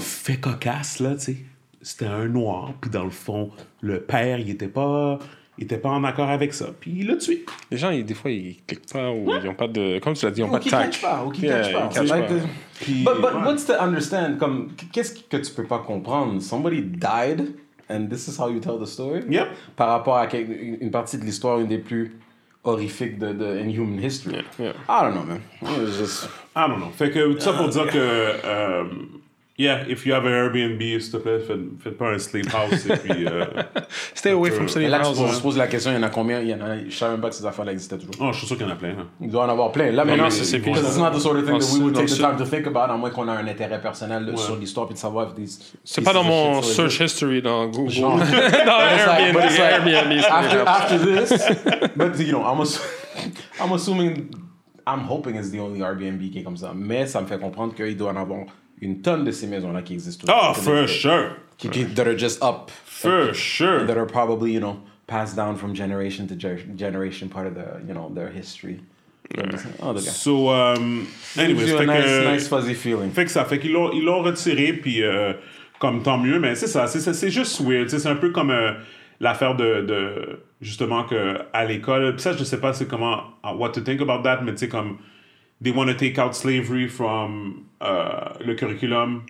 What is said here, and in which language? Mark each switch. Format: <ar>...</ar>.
<fr>Fais cocasse, là, tu sais. C'était un noir, puis dans le fond, le père, il était pas en accord avec ça, puis il l'a tué. Les gens, des fois, ils cliquent pas, ou ils ont pas de... Comme tu l'as dit, ils ont pas de tact. Ou qu'ils catchent pas, But ouais.</fr> <en>What's to understand?</en> <fr>Comme, qu'est-ce que tu peux pas comprendre?</fr> <en>Somebody died, and this is how you tell the story? Yep.</en> <fr>Par rapport à une partie de l'histoire, une des plus horrifiques de</fr> <en>in human history. Yeah, yeah. I don't know, man. I don't know.</en> <fr>Fait que, tout ça pour dire que...</fr> <en>Yeah, if you have an Airbnb,</en> <fr>s'il te plaît, faites pas un</fr> <en>sleep house. Et puis, stay away from sleep house.</en> <fr>Là, tu te poses la question, il y en a combien? Il y en a, je savais même pas que ces affaires-là existaient toujours. Oh, je suis sûr qu'il y en a plein. Hein. Il doit en avoir plein. Là, maintenant, c'est plus.</fr> <en>Because it's not the sort of thing that we would take the time to think about,</en> <fr>à moins qu'on a un intérêt personnel sur l'histoire et de savoir</fr> <en>if these.</en> <fr>C'est pas dans mon search history dans Google. Dans Airbnb.</fr> <en>After this, but you know, I'm assuming, I'm hoping it's the only Airbnb</en> <fr>qui est comme ça. Mais ça me fait comprendre qu'il doit en avoir. Une tonne de ces maisons-là qui existent.</fr> <en>Oh, for sure. That are just up. For sure. That are probably, you know, passed down from generation to generation, part of the, you know, their history. Yeah. So, anyways. It gives you a nice fuzzy feeling.</en> <fr>Fait que ça, fait qu'ils l'ont retiré, puis comme tant mieux, mais c'est ça, c'est juste weird. C'est un peu comme l'affaire de justement, qu'à l'école, puis ça, je sais pas c'est comment,</fr> <en>what to think about that,</en> <fr>mais tu sais, comme,</fr> <en>they want to take out slavery from</en> <fr>le curriculum.</fr>